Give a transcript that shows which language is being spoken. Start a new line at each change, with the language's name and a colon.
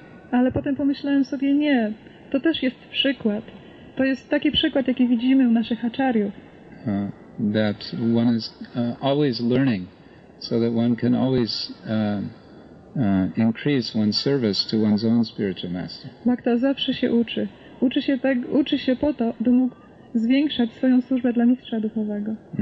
Polish: Ale potem pomyślałem sobie, nie, to też jest przykład. To jest taki przykład, jaki widzimy u naszych aczariów.
English: That one is always learning, so that one can always increase one's service to one's own spiritual master.
Polish: Bhakta zawsze się uczy. Uczy się tak, uczy się po to, by mógł zwiększać swoją służbę dla mistrza duchowego.